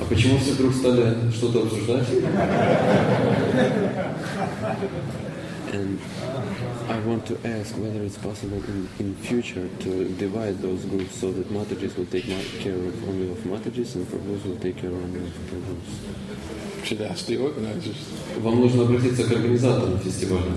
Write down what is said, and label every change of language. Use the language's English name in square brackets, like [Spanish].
[Russian] А почему все вдруг стали что-то обсуждать? [English] And I want to ask whether it's possible in future to divide those groups so that Matajis will take care of only of Matajis and Prabhus will take care only of Prabhus. Should ask the organizers. [Russian] Вам нужно обратиться к организаторам фестиваля.